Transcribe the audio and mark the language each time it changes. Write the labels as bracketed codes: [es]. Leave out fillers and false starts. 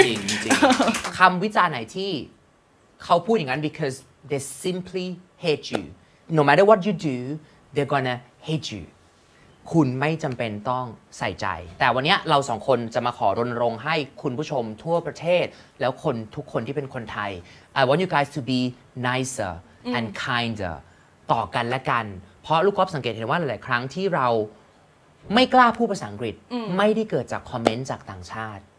[th] จริงๆ คำวิจารณ์ไหนที่เขาพูดอย่างนั้น [en] because they simply hate you. No matter what you do, they're gonna hate you. [th] คุณไม่จำเป็นต้องใส่ใจแต่วันนี้เราสองคนจะมาขอรณรงค์ให้คุณผู้ชมทั่วประเทศแล้วคนทุกคนที่เป็นคนไทย [en] I want you guys to be nicer and kinder [th] ต่อกันและกันเพราะลูกก๊อฟสังเกตเห็นว่าหลายครั้งที่เราไม่กล้าพูดภาษาอังกฤษไม่ได้เกิดจากคอมเมนต์จากต่างชาติ